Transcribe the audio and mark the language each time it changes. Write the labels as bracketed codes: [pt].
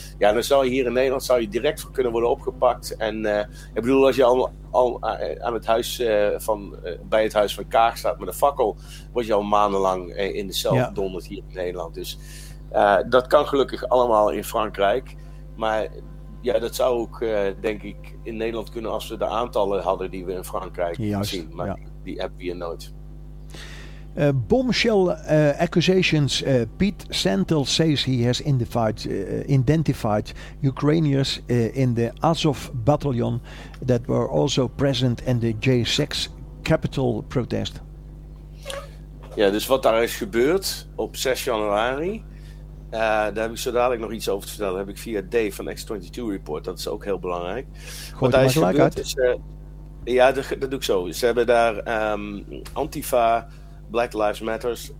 [nl] Ja, dan zou je hier in Nederland zou je direct voor kunnen worden opgepakt. En ik bedoel, als je al aan het huis bij het huis van Kaag staat met een fakkel, word je al maandenlang in de cel gedonderd hier in Nederland. Dus dat kan gelukkig allemaal in Frankrijk. Maar ja, dat zou ook, denk ik, in Nederland kunnen als we de aantallen hadden die we in Frankrijk zien. Maar die hebben we hier nooit. [en] Bombshell accusations. Pete Santel says he has identified Ukrainians in the Azov battalion that were also present in the J6 Capitol protest. [nl] Ja, dus wat daar is gebeurd op 6 januari... daar heb ik zo dadelijk nog iets over te vertellen. Heb ik via Dave van X22 Report. Dat is ook heel belangrijk. Gooi wat daar is gebeurd uit. Dat doe ik zo. Ze hebben daar Antifa, Black Lives Matters.